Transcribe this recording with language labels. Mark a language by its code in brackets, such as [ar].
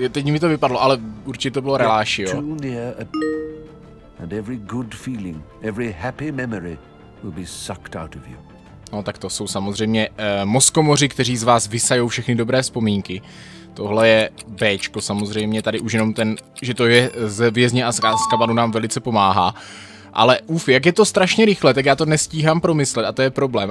[cs] Teď mi to vypadlo, ale určitě to bylo relášio. [en] And every good feeling, every happy memory will be sucked out of you. [cs] No tak to jsou samozřejmě mozkomoři, kteří z vás vysajou všechny dobré vzpomínky. Tohle je Bčko samozřejmě, tady už jenom ten, že to je ze vězně a z kabanu nám velice pomáhá. Ale uf, jak je to strašně rychle, tak já to nestíhám promyslet a to je problém.